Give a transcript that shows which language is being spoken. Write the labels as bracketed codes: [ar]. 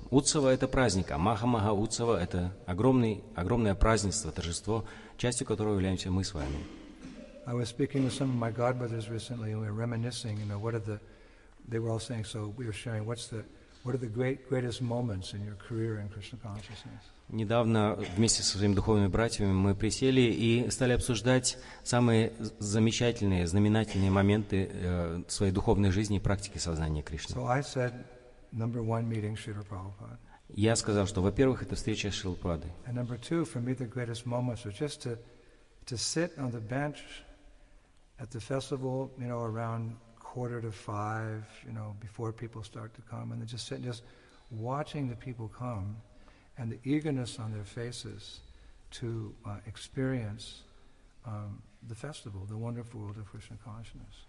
[ru] Утсава – это праздник, а Маха-Маха-Утсава – это огромное празднество, торжество, частью которого являемся мы с вами. [en] I was speaking with some of my godbrothers recently, and we were reminiscing, you know, what are the... They were all saying, so we were sharing, what are the greatest moments in your career in Krishna consciousness? [ru] Недавно вместе со своими духовными братьями мы присели и стали обсуждать самые замечательные, знаменательные моменты своей духовной жизни и практики сознания Кришны. [en] So I said, number one, meeting Srila Prabhupada. [ru] Я сказал, что, во-первых, это встреча с Шрилой Прабхупадой. [en] And number two, for me, the greatest moments were just to sit on the bench at the festival, you know, around 4:45, you know, before people start to come, and they just sit, just watching the people come, and the eagerness on their faces to experience the festival, the wonderful world of Krishna consciousness.